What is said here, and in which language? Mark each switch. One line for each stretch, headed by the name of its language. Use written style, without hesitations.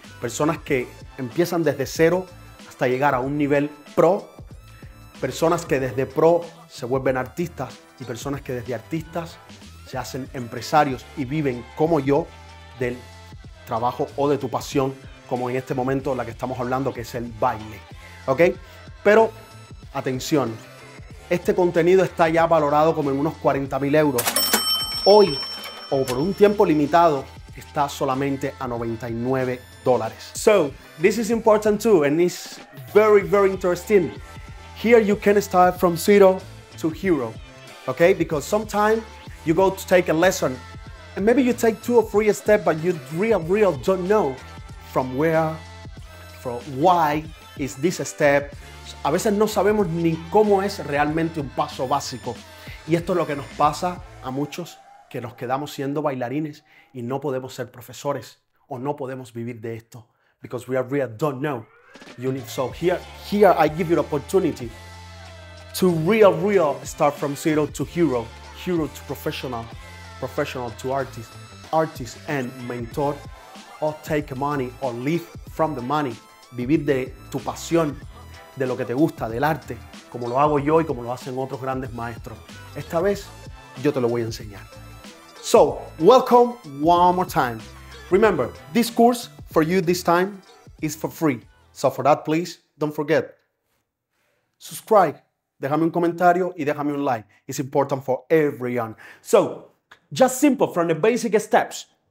Spanish: Personas que empiezan desde cero hasta llegar a un nivel pro, personas que desde pro se vuelven artistas y personas que desde artistas se hacen empresarios y viven como yo del trabajo o de tu pasión, como en este momento la que estamos hablando, que es el baile, ¿ok? Pero atención, este contenido está ya valorado como en unos 40,000 euros. Hoy, o por un tiempo limitado, está solamente a $99.
English: So, this is important too, and it's very, very interesting. Here you can start from zero to hero, okay? Because sometimes you go to take a lesson, and maybe you take two or three steps, but you real don't know from where, from why is this a step.
Spanish: A veces no sabemos ni cómo es realmente un paso básico. Y esto es lo que nos pasa a muchos que nos quedamos siendo bailarines y no podemos ser profesores o no podemos vivir de esto.
English: Because we really don't know. So here I give you the opportunity to real start from zero to hero. Hero to professional, professional to artist, artist and mentor. Or take money or live from the money.
Spanish: Vivir de tu pasión, de lo que te gusta, del arte, como lo hago yo y como lo hacen otros grandes maestros. Esta vez, yo te lo voy a enseñar.
English: So, welcome one more time. Remember, this course for you this time is for free. So for that, please, don't forget. Subscribe,
Spanish: déjame un comentario y déjame un like.
English: It's important for everyone. So, just simple from the basic steps.